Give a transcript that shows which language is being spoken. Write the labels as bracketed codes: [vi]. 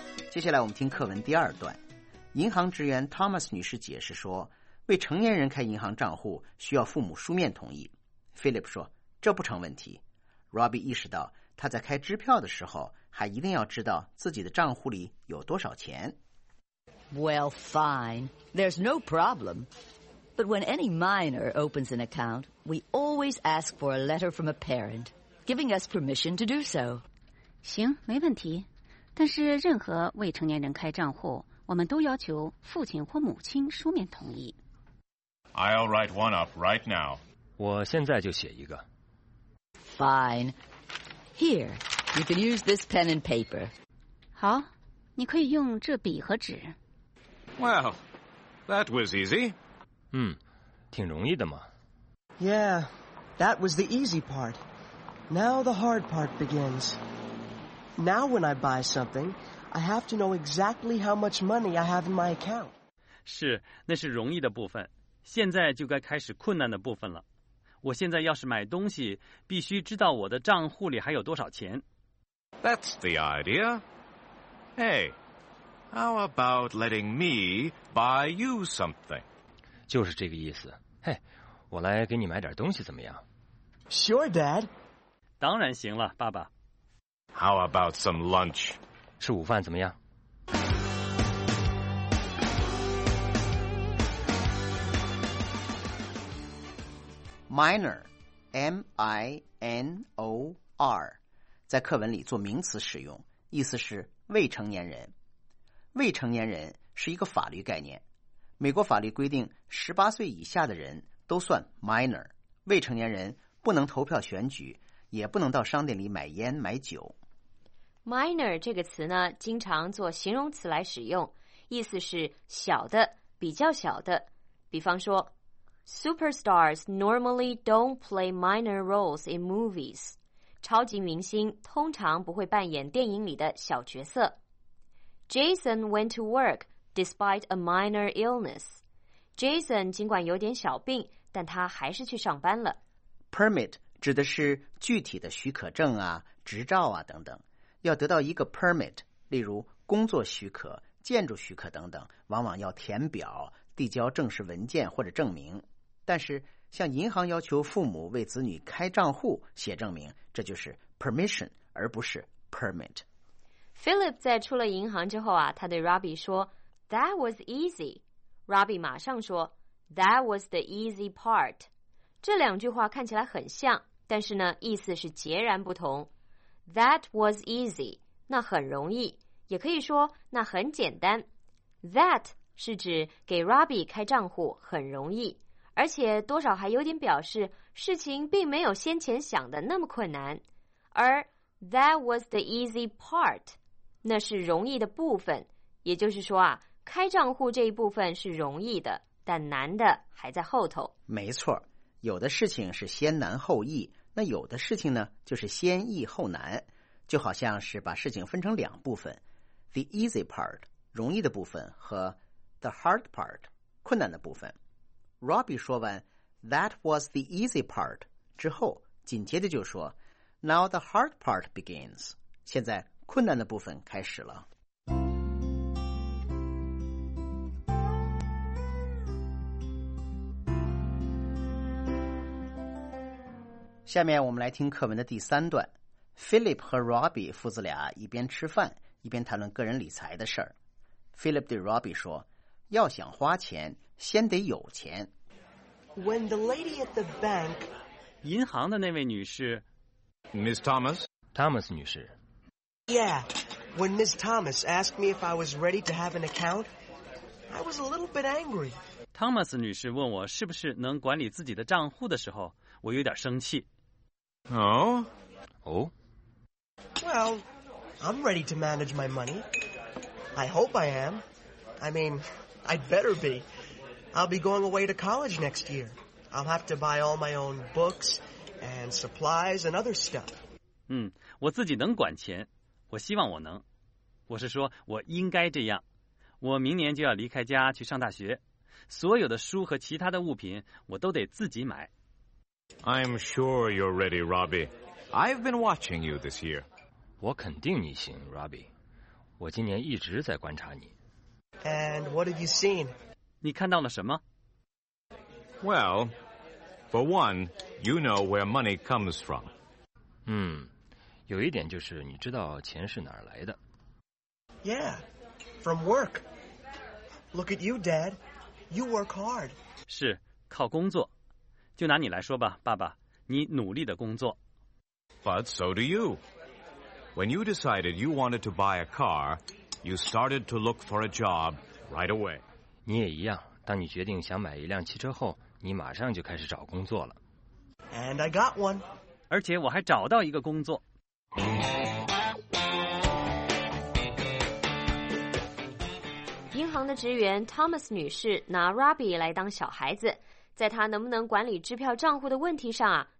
[zh] 接下来我们听课文第二段银行职员 Thomas 女士解释说为成年人开银行账户需要父母书面同意 Philip 说这不成问题 Robbie 意识到他在开支票的时候还一定要知道自己的账户里有多少钱 [en] Well fine There's no problem But when any minor opens an account We always ask for a letter from a parent Giving us permission to do so [zh] 行没问题但是任何未成年人开账户我们都要求父亲或母亲书面同意 [en] I'll write one up right now [zh] 我现在就写一个 [en] Fine Here, you can use this pen and paper [zh] 好你可以用这笔和纸 [en] Well, that was easy [zh] 挺容易的嘛 [en] Yeah, That was the easy part. Now the hard part begins. Now when I buy something, I have to know exactly how much money I have in my account. [zh] 是，那是容易的部分，现在就该开始困难的部分了。我现在要是买东西，必须知道我的账户里还有多少钱。 [en] That's the idea. Hey, how about letting me buy you something? [zh] 就是这个意思。嘿，我来给你买点东西怎么样？ [en] Sure, Dad. [zh] 当然行了，爸爸。 [en] How about some lunch? [zh] 吃午饭怎么样？ Minor, M-I-N-O-R, 在课文里做名词使用，意思是未成年人。未成年人是一个法律概念，美国法律规定18岁以下的人都算 minor, 未成年人不能投票选举，也不能到商店里买烟买酒。 Minor 这个词呢，经常做形容词来使用，意思是小的，比较小的，比方说 [en] Superstars normally don't play minor roles in movies. [zh] 超级明星通常不会扮演电影里的小角色。 Jason went to work despite a minor illness. Jason 尽管有点小病，但他还是去上班了。 Permit 指的是具体的许可证啊、执照啊等等。要得到一个 permit, 例如工作许可、建筑许可等等，往往要填表。递交正式文件或者证明，但是向银行要求父母为子女开账户写证明，这就是 permission 而不是 permit。 Philip 在出了银行之后啊，他对 Robbie 说 [en] That was easy。 [zh] Robbie 马上说 [en] That was the easy part。 [zh] 这两句话看起来很像，但是呢意思是截然不同。 [en] That was easy， [zh] 那很容易，也可以说那很简单。 That是指给 Robbie 开账户很容易，而且多少还有点表示事情并没有先前想的那么困难。而 [en] That was the easy part， [zh] 那是容易的部分，也就是说啊，开账户这一部分是容易的，但难的还在后头。没错，有的事情是先难后易，那有的事情呢就是先易后难，就好像是把事情分成两部分， [en] The easy part， [zh] 容易的部分，和 [en] The hard part， [zh] 困难的部分。 Robbie 说完 [en] That was the easy part [zh] 之后，紧接着就说 [en] Now the hard part begins， [zh] 现在困难的部分开始了。下面我们来听课文的第三段。Philip 和 Robbie 父子俩一边吃饭一边谈论个人理财的事儿。 Philip 对 Robbie 说，要想花钱，先得有钱。 [en] When the lady at the bank， [zh] 银行的那位女士 [en] ，Miss Thomas， [zh] Thomas 女士。 [en] Yeah， when Miss Thomas asked me if I was ready to have an account， I was a little bit angry。 [zh] Thomas 女士问我是不是能管理自己的账户的时候，我有点生气。 Oh， oh。 [en] Well， I'm ready to manage my money。 I hope I am。 I mean。 I'd better be. I'll be going away to college next year. I'll have to buy all my own books and supplies and other stuff. [zh] 我自己能管钱，我希望我能。我是说我应该这样。我明年就要离开家去上大学，所有的书和其他的物品我都得自己买。 [en] I'm sure you're ready, Robbie. I've been watching you this year. [zh] 我肯定你行 ，Robbie。我今年一直在观察你。 [en] And what have you seen? [zh] 你看到了什么？ [en] Well, for one, you know where money comes from. [zh] 有一点就是你知道钱是哪儿来的。 [en] Yeah, from work. Look at you, Dad. You work hard. [zh] 是，靠工作。就拿你来说吧，爸爸，你努力的工作。 [en] But so do you. When you decided you wanted to buy a car... You started to look for a job right away. [zh] 你也一样，当你决定想买一辆汽车后，你马上就开始找工作了。 [en] And I got one. [zh] 而且我还找到一个工作。银行的职员 Thomas 女士拿 Robbie 来当小孩子，在他能不能管理支票账户的问题上啊，